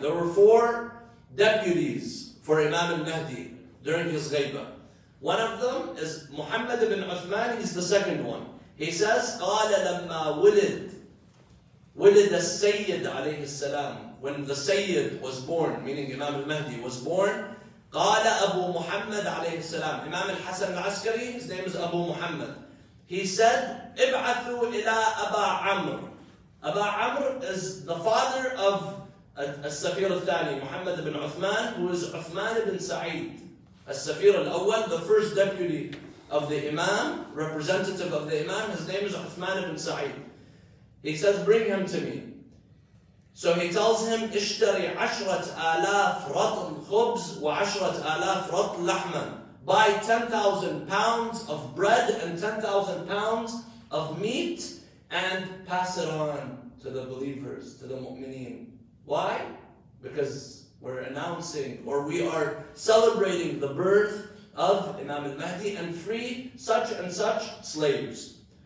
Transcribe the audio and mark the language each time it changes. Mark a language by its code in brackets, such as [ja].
[en] There were four deputies for Imam al-Mahdi during his ghaibah. One of them is Muhammad ibn Uthman, he's the second one. He says, [ar] قَالَ لَمَّا وُلِدَ السَّيِّدَ عَلَيْهِ السَّلَامِ. [en] When the Sayyid was born, meaning Imam al-Mahdi was born, [ar] قال أبو محمد عليه السلام, إمام الحسن العسكري, [en] his name is [ar] أبو محمد. [en] He said, [ar] ابعثوا إلى أبا عمرو. أبا عمرو [en] is the father of [ar] السفير الثاني, محمد بن عثمان, [en] who is [ar] عثمان بن سعيد. السفير الأول, [en] the first deputy of the Imam, representative of the Imam, his name is عثمان بن سعيد. He says, bring him to me. So he tells him, [ar] اشتري عشرة آلاف رطل خبز وعشرة آلاف رطل لحمة. [en] Buy 10,000 pounds of bread and 10,000 pounds of meat and pass it on to the believers, to the mu'mineen. Why? Because we're announcing, or we are celebrating the birth of Imam al-Mahdi, and free such and such slaves.